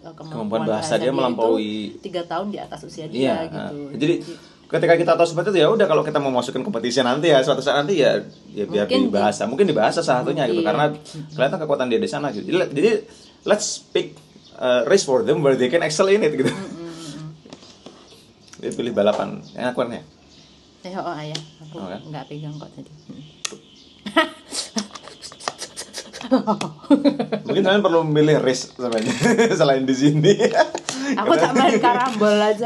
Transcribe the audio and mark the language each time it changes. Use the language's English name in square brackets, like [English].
[Indonesian] kemampuan bahasa dia melampaui 3 tahun di atas usia dia, yeah, gitu. Nah. Jadi ketika kita tahu seperti itu ya udah, kalau kita mau masukin kompetisi nanti ya, suatu saat nanti ya, ya biar mungkin di bahasa, mungkin di bahasa salah satunya gitu, karena kelihatan kekuatan dia di sana gitu. [English] Jadi let's pick race for them where they can excel in it gitu. [Indonesian] Dia pilih balapan yang aku kan ya. Eh, oh ayah, aku nggak pegang kok tadi. Mungkin kalian perlu memilih race sebenarnya selain di sini. Aku tak main karambol aja.